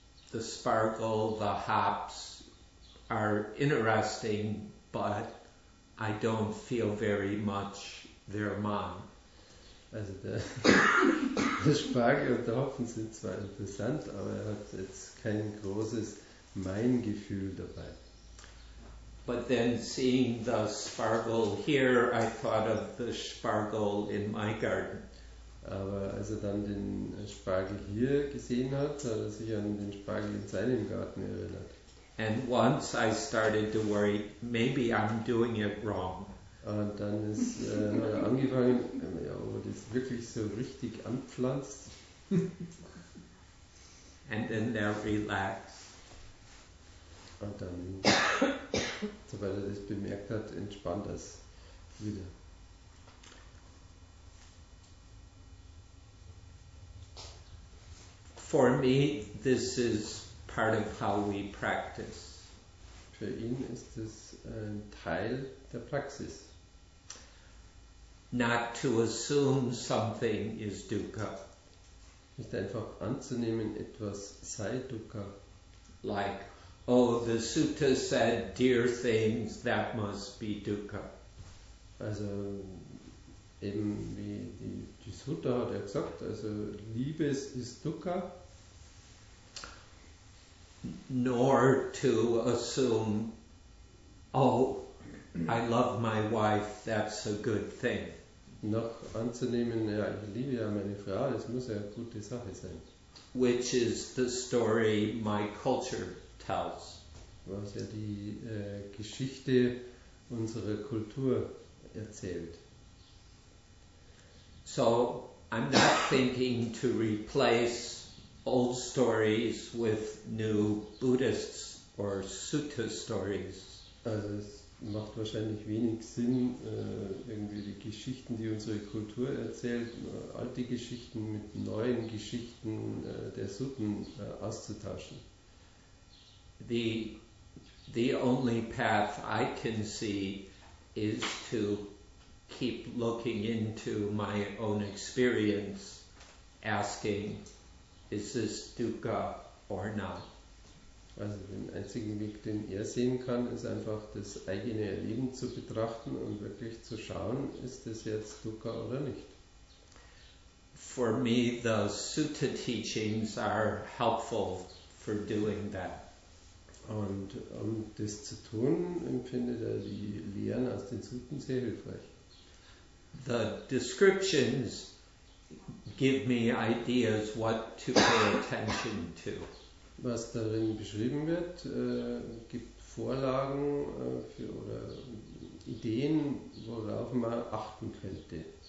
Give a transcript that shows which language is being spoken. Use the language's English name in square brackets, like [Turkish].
[English] The sparkle, the hops are interesting, but I don't feel very much their mom. [German] Also der Spargel und der Hopfen sind zwar interessant, aber er hat jetzt kein großes Mein-Gefühl dabei. [English] But then seeing the sparkle here, I thought of the sparkle in my garden. [German] Aber als er dann den Spargel hier gesehen hat, hat er sich an den Spargel in seinem Garten erinnert. [English] And once I started to worry, maybe I'm doing it wrong. [German] Und dann ist er angefangen, ob er das wirklich so richtig anpflanzt. [English] And then they relax. [German] Und dann, sobald er das bemerkt hat, entspannt er es wieder. [English] For me, this is part of how we practice. [German] Für ihn ist es ein Teil der Praxis. [English] Not to assume something is dukkha. [German] Nicht einfach anzunehmen, etwas sei dukkha. [English] Like, oh, the sutta said dear things, that must be dukkha. [German] Also eben wie die Sutta hat er gesagt, also Liebes ist dukkha. [English] Nor to assume, oh, I love my wife, that's a good thing. [German] Noch anzunehmen, ja, ich liebe ja meine Frau, das muss ja eine gute Sache sein. [English] Which is the story my culture tells. [German] Was ja die Geschichte unserer Kultur erzählt. [English] So, I'm not thinking to replace old stories with new Buddhist or Sutta stories. [German] Also es macht wahrscheinlich wenig Sinn, irgendwie die Geschichten, die unsere Kultur erzählt, alte Geschichten mit neuen Geschichten der Sutten auszutauschen. [English] The only path I can see is to keep looking into my own experience, asking, is this dukkha or not? [German] Also, den einzigen Weg, den er sehen kann, ist einfach das eigene Erleben zu betrachten und wirklich zu schauen, ist das jetzt dukkha oder nicht? [English] For me, the sutta teachings are helpful for doing that. [German] Und um das zu tun, empfindet er die Lehren aus den Sutten sehr hilfreich. [English] The descriptions give me ideas what to pay attention to. [German] Was darin beschrieben wird, gibt Vorlagen oder Ideen, worauf man achten könnte.